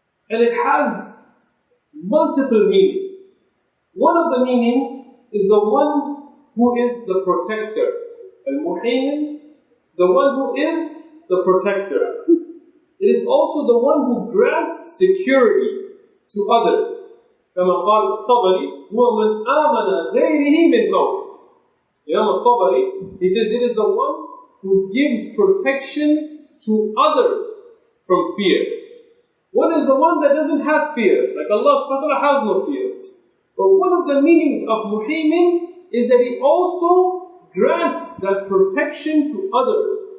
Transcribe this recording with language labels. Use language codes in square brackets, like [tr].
[en] And it has multiple meanings. One of the meanings is the one who is the protector. Al-Muhaymin, the one who is the protector. It is also the one who grants security to others. [ar] كما قال الطبري هو من آمن غيره من قومه. [en] إمام الطبري, he says, it is the one who gives protection to others from fear. One is the one that doesn't have fear, like Allah subhanahu wa ta'ala has no fear. But one of the meanings of Muhaymin is that he also grants that protection to others.